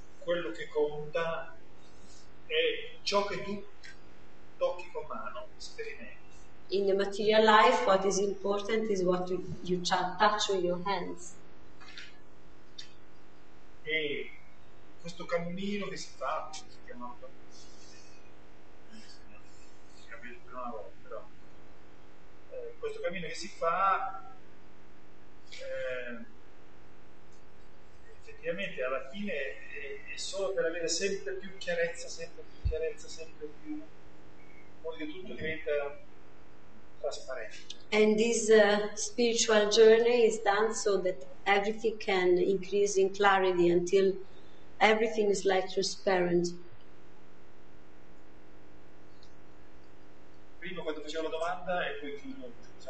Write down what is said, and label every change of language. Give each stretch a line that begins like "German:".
Italian: quello che conta è ciò che tu tocchi con mano, sperimenti.
English: In the material life, what is important is what you touch with your hands.
Italian: E questo cammino che si fa, si chiama effettivamente alla fine è solo per avere sempre più chiarezza, sempre più chiarezza, sempre più, in modo che tutto diventa trasparente.
English: And this spiritual journey is done so that everything can increase in clarity until everything is like transparent.
Italian: Prima quando facevo la domanda e poi chiudo.